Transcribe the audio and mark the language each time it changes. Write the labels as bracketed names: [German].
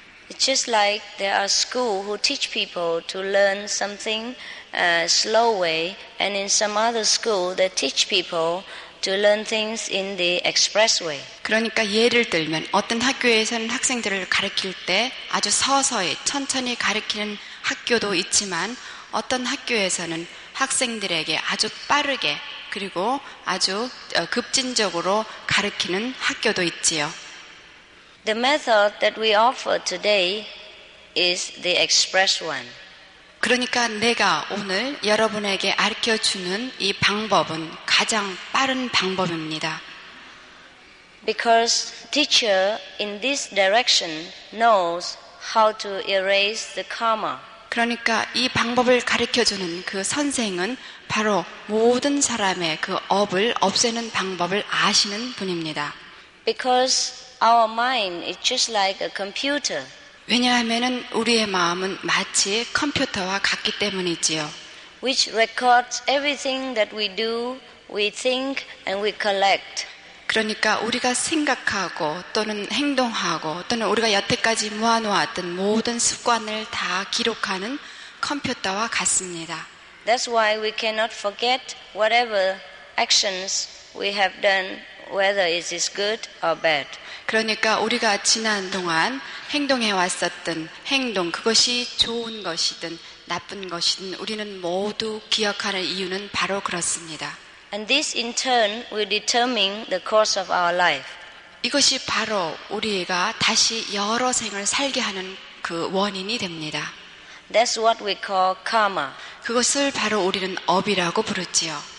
[English] It's just like there are schools who teach people to learn something slow way, and in some other school they teach people to learn things in the express way. [Korean] 그러니까 예를 들면 어떤 학교에서는 학생들을 가르칠 때 아주 서서히 천천히 가르치는 학교도 있지만 어떤 학교에서는 학생들에게 아주 빠르게 그리고 아주 급진적으로 가르치는 학교도 있지요. [English] The method that we offer today is the express one. [Korean] 그러니까 내가 오늘 여러분에게 가르쳐 주는 이 방법은 가장 빠른 방법입니다. [English] Because teacher in this direction knows how to erase the karma. [Korean] 그러니까 이 방법을 가르쳐주는 그 선생은 바로 모든 사람의 그 업을 없애는 방법을 아시는 분입니다. [English] Because our mind is just like a computer. [Korean] 왜냐하면 우리의 마음은 마치 컴퓨터와 같기 때문이지요. [English] Which records everything that we do, we think, and we collect. [Korean] 그러니까 우리가 생각하고 또는 행동하고 또는 우리가 여태까지 모아놓았던 모든 습관을 다 기록하는 컴퓨터와 같습니다. [English] That's why we cannot forget whatever actions we have done, whether it is good or bad. [Korean] 그러니까 우리가 지난 동안 행동해 왔었던 행동, 그것이 좋은 것이든 나쁜 것이든 우리는 모두 기억하는 이유는 바로 그렇습니다. [English] And this in turn will determine the course of our life. [Korean] 이것이 바로 우리가 다시 여러 생을 살게 하는 그 원인이 됩니다. [English] That's what we call karma. [Korean] 그것을 바로 우리는 업이라고 부르지요.